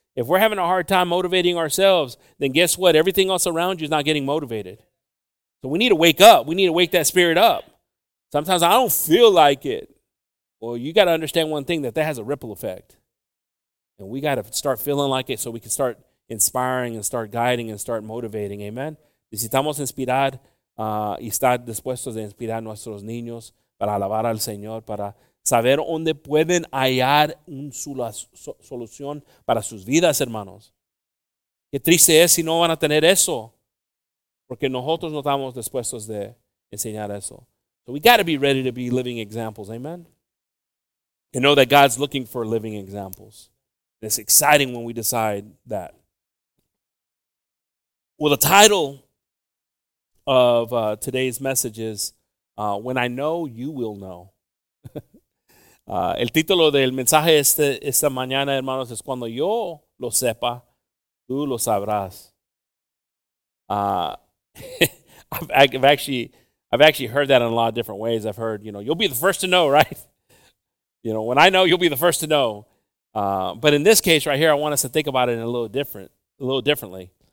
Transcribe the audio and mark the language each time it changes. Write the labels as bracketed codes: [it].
[en] If we're having a hard time motivating ourselves, then guess what? Everything else around you is not getting motivated. So we need to wake up. We need to wake that spirit up. Sometimes I don't feel like it. Well, you got to understand one thing, that has a ripple effect. And we got to start feeling like it so we can start inspiring and start guiding and start motivating. Amen. [es] Necesitamos inspirar y estar dispuestos de inspirar a nuestros niños para alabar al Señor, para saber dónde pueden hallar una solución para sus vidas, hermanos. Qué triste es si no van a tener eso, porque nosotros no estamos dispuestos de enseñar eso. [en] So we got to be ready to be living examples, amen? And know that God's looking for living examples. And it's exciting when we decide that. Well, the title of today's message is When I Know, You Will Know. [es] El título del mensaje esta mañana, hermanos, es Cuando Yo Lo Sepa, Tú Lo Sabrás. [en] I've actually heard that in a lot of different ways. I've heard, you know, you'll be the first to know, right? You know, when I know, you'll be the first to know. But in this case right here, I want us to think about it in a little differently.